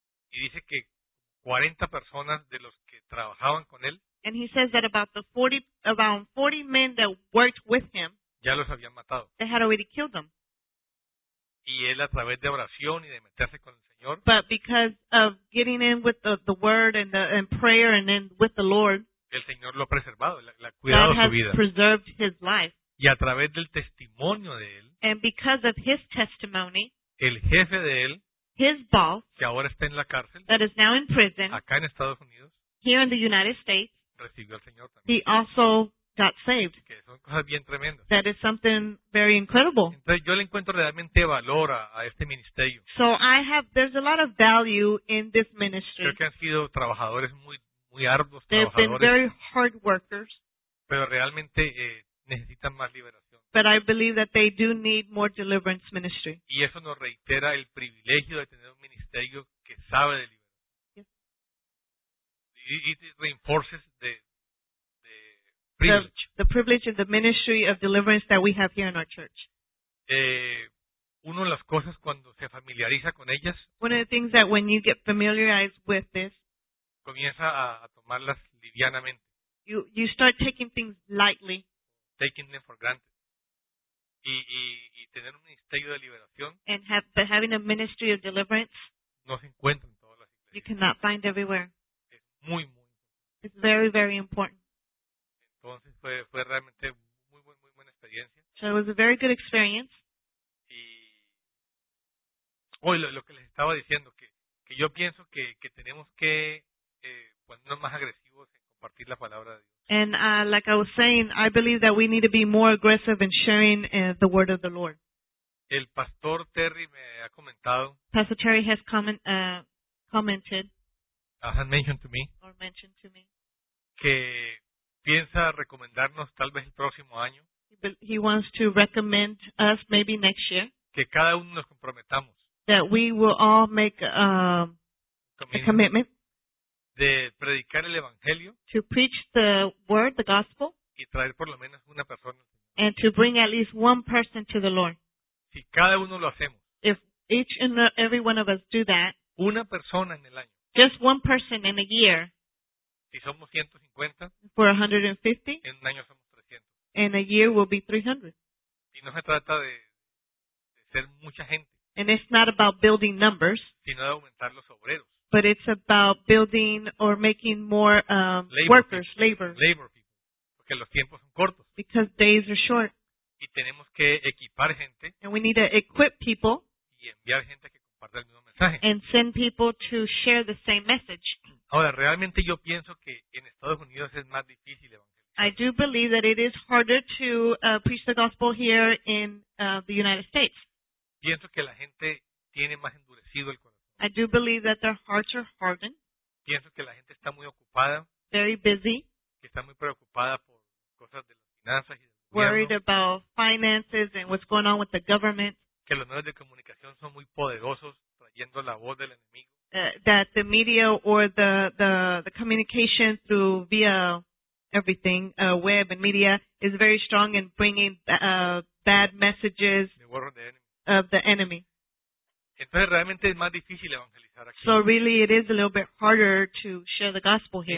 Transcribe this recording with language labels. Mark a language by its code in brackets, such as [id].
[es] Y dice que 40 personas de los que trabajaban con él. [en] And he says that about 40 men that worked with him. [es] Ya los habían matado. [en] They had already killed them. [es] Y él a través de oración y de meterse con el Señor. [en] But because of getting in with the word and the prayer and then with the Lord. [es] El Señor lo ha preservado, la ha cuidado su vida. [en] God has preserved his life. [es] Y a través del testimonio de él. [en] And because of his testimony. [es] El jefe de él. [en] His boss, [es] que ahora está en la cárcel, [en] that is now in prison, [es] acá en Estados Unidos, [en] here in the United States, [es] recibió al Señor también. [en] He also got saved. [es] Que son cosas bien tremendas. [en] That is something very incredible. [es] Entonces yo le encuentro realmente valor a este ministerio. [en] So I have, there's a lot of value in this ministry. [es] Creo que han sido trabajadores muy, muy arduos. [en] They've been very hard workers. [es] Pero realmente necesitan más liberación. [en] but I believe that they do need more deliverance ministry. [es] Y eso nos reitera el privilegio de tener un ministerio que sabe de liberación. [en] It reinforces the privilege. The privilege and the ministry of deliverance that we have here in our church. [es] Uno de las cosas cuando se familiariza con ellas, [en] one of the things that when you get familiarized with this, [es] comienza a tomarlas livianamente. [en] You start taking things lightly. Taking them for granted. [es] Y tener un ministerio de liberación. [en] And having a ministry of deliverance. [es] No se encuentra en todas las iglesias. [en] You cannot find everywhere. [es] Es muy, muy importante. [en] It's very, very important. [es] Entonces fue realmente muy, muy, muy buena experiencia. [en] So it was a very good experience. [es] Y hoy lo que les estaba diciendo, que yo pienso que tenemos que ponernos más agresivos en compartir la palabra de Dios. [en] And like I was saying, I believe that we need to be more aggressive in sharing the word of the Lord. [es] El pastor Terry me ha comentado. [en] Pastor Terry has commented. Has mentioned to me. Or mentioned to me. [es] Que piensa recomendarnos tal vez el próximo año. [en] He wants to recommend us maybe next year. [es] Que cada uno nos comprometamos. [en] That we will all make a commitment. [es] De predicar el evangelio. [en] To preach the word, the gospel. [es] Y traer por lo menos una persona. [en] And to bring at least one person to the Lord. [es] Si cada uno lo hacemos. [en] If each and every one of us do that. [es] Una persona en el año. [en] Just one person in a year. [es] Si somos 150. [en] For 150. [es] En un año somos 300. [en] In a year we'll be 300. [es] Y no se trata de ser mucha gente. [en] And it's not about building numbers. [es] Sino de aumentar los obreros. [en] But it's about building or making more workers, labor people. [es] Porque los tiempos son cortos. [en] Because days are short. [es] Y tenemos que equipar gente. [en] And we need to equip people. [es] Y enviar gente que comparta el mismo mensaje. [en] And send people to share the same message. [es] Ahora, realmente yo pienso que en Estados Unidos es más difícil evangelizar. [en] I do believe that it is harder to preach the gospel here in the United States. [es] Pienso que la gente tiene más endurecido el corazón. [en] I do believe that their hearts are hardened. [es] Pienso que la gente está muy ocupada. [en] Very busy. [es] Que está muy preocupada por cosas de las finanzas y del gobierno. [en] Worried about finances and what's going on with the government. [es] Que los medios de comunicación son muy poderosos trayendo la voz del enemigo. [en] That the media or the communication through via everything, web and media, is very strong in bringing bad messages of the enemy. [es] Entonces realmente es más difícil evangelizar aquí. [en] So really it is a little bit harder to share the gospel here.